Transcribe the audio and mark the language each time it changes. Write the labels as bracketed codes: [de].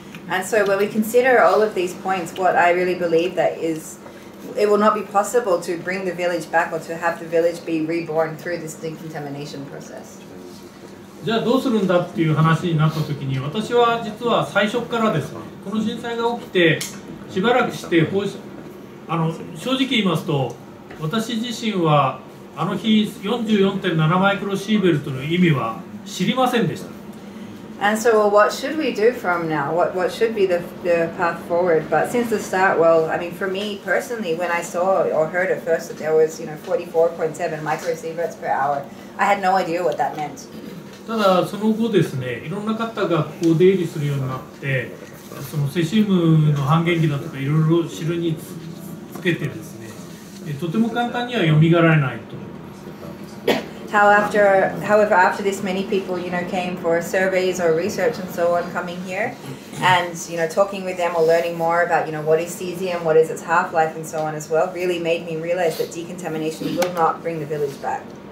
[en] And so when we consider all of these points, what I really believe that is, it will not be possible to bring the village back or to have the village be reborn through this decontamination process. [ja] じゃあどうするんだっていう話になった時に、私は実は最初からですね、この震災が起きてしばらくして放射、正直言いますと、私自身はあの日 44.7 マイクロシーベルトの意味は知りませんでした。 [en] And so, well, what should we do from now? What should be the path forward? But since the start, well, I mean, for me personally, when I saw or heard at first that there was, you know, 44.7 microsieverts per hour, I had no idea what that meant. [ja] ただその後ですね、いろんな方がこう出入りするようになって、そのセシウムの半減期だとかいろいろ知るにつけてですね、とても簡単には蘇られないと。 [en] However, after this, many people, you know, came for surveys or research and so on coming here, and you know, talking with them or learning more about, you know, what is cesium, what is its half life, and so on as well, really made me realize that decontamination will not bring the village back.